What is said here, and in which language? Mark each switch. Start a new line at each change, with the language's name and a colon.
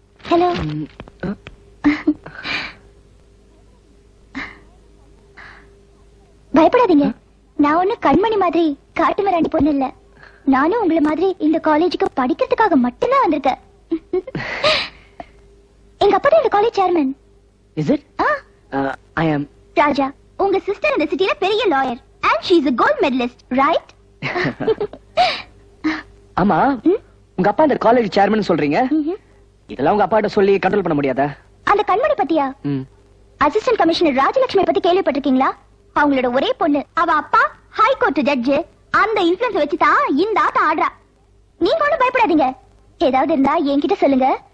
Tamil: Hello, பயப்படாதீங்க. நான் ஒண்ணு கண்மணி மாதிரி காட்டு மிராண்டி பொண்ணு இல்ல. நானும் உங்களை மாதிரி இந்த காலேஜுக்கு படிக்கிறதுக்காக மட்டும்தான் வந்திருக்கேன். எங்க அப்பா தான் இந்த college chairman.
English: Is it? I am.
Tamil: Raja, உங்க சிஸ்டர் இந்த சிட்டில பெரிய lawyer.
English: And she is a gold medalist, right?
Tamil: அம்மா, உங்க அப்பா இந்த காலேஜ் சேர்மன் சொல்றீங்க. இதெல்லாம் உங்க அப்பா கிட்ட சொல்லி கண்ட்ரோல் பண்ண முடியாதா? அந்த கண்மணி பத்தியா? அசிஸ்டன்ட் கமிஷனர் ராஜலட்சுமி பத்தி கேள்விப்பட்டிருக்கீங்களா? அவங்களோட ஒரே பொண்ணு, அவ அப்பா ஹைகோர்ட் ஜட்ஜ். அந்த இன்ஃப்ளூயன்ஸ் வச்சுதான் இந்த ஆட்டம் ஆடுறா. நீங்க ஒண்ணு பயப்படாதீங்க, ஏதாவது இருந்தா என்கிட்ட சொல்லுங்க.